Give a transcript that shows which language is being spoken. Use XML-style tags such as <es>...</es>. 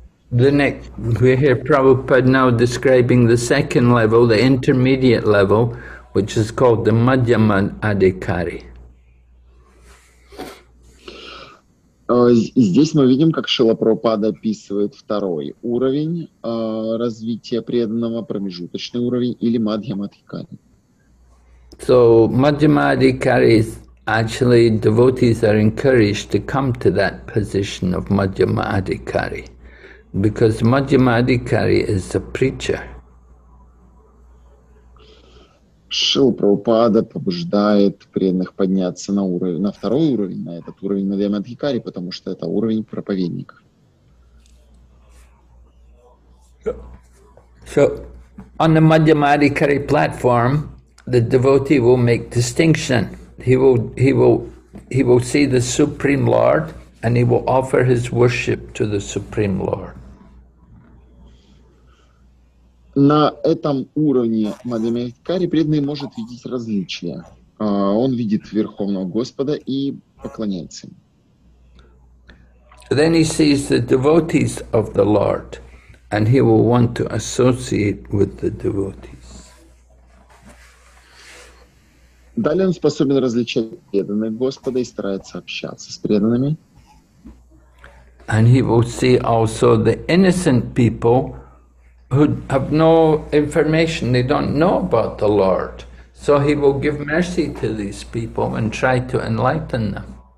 <en>The next, we hear Prabhupada now describing the second level, the intermediate level, which is called the Madhyama Adhikari.</en> <ru>Здесь мы видим, как Шрила Прабхупада описывает второй уровень развития преданного, промежуточный уровень или мадхьямадхикари.</ru> <en>So мадхьямадхикари is actually devotees are encouraged to come to that position of мадхьямадхикари, because мадхьямадхикари is a preacher.</en> <ru>Шрила Прабхупада побуждает преданных подняться на уровень, на второй уровень, на этот уровень мадхьямадхикари, потому что это уровень проповедника.</ru> <en>So, on the мадхьямадхикари platform, the devotee will make distinction. He will see the Supreme Lord, and he will offer his worship to the Supreme Lord.</en> <ru>На этом уровне мадхьямадхикари преданный может видеть различия. Он видит Верховного Господа и поклоняется ему.</ru> <en>Then he sees the devotees of the Lord, and he will want to associate with the devotees.</en> <ru>Далее он способен различать преданных Господа и старается общаться с преданными.</ru> <en>And he will see also the innocent people who have no information, they don't know about the Lord. So he will give mercy to these people and try to enlighten them.</en>